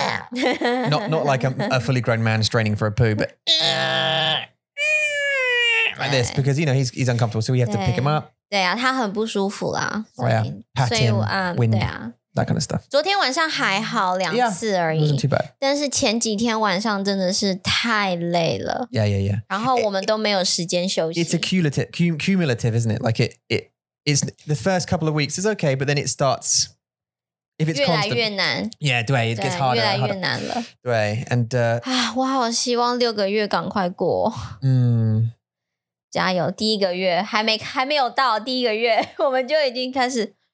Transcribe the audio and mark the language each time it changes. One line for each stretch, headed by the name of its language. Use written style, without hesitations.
English: not like a fully grown man straining for a poo, but like this because you know he's uncomfortable, so we have to pick him up.
Chinese: 对啊，他很不舒服啦。
English: Oh yeah, pat him, wind. Yeah. That kind of stuff.
Chinese: 昨天晚上还好两次而已。
English: Yeah, wasn't too bad.
Chinese: 但是前几天晚上真的是太累了。
English: Yeah, yeah, yeah.
Chinese: 然后我们都没有时间休息。
English: It's a cumulative, isn't it? Like it's the first couple of weeks is okay, but then it starts, if it's constant.
Chinese: 越来越难。
English: Yeah, 对, it gets harder.
Chinese: 越来越难了。对, and... 我好希望六个月赶快过。加油,第一个月,还没有到第一个月,我们就已经开始。